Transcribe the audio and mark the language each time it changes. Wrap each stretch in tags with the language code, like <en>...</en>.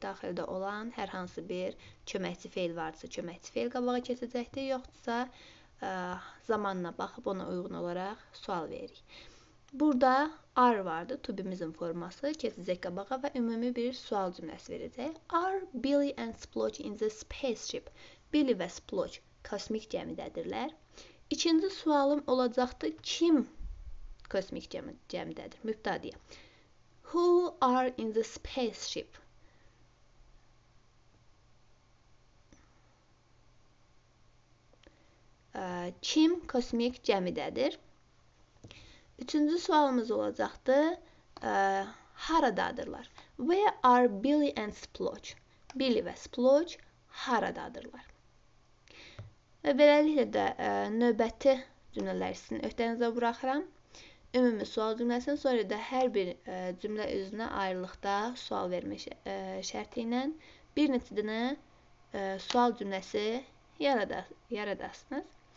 <az>Daxildə olan hər hansı bir köməkçi feil varsa, köməkçi feil qabağa keçəcəkdir. Yoxdursa, zamanına baxıb ona uyğun olaraq sual veririk. Burada are vardı, tubimizin forması, keçəcək qabağa və ümumi bir sual cümləsi verəcək.</az> <en>Are Billy and Splodge in the spaceship?</en> <az>Billy və Splodge kosmik gəmidədirlər. İkinci sualım olacaqdı, kim kosmik gəmidədir? Mübtədiyə.</az> <en>Who are in the spaceship?</en> <az>Kim kosmik gəmidədir? Üçüncü sualımız olacaqdı, haradadırlar?</az> <en>Where are Billy and Splodge?</en> <az>Billy və Splodge haradadırlar? Və beləliklə də növbəti cümlələri sizin öhdənizə buraxıram. Ümumi sual cümləsini, sonra da hər bir cümlə üzrünə ayrılıqda sual vermək şərti ilə bir neçə dənə sual cümləsi yaradasınız.</az>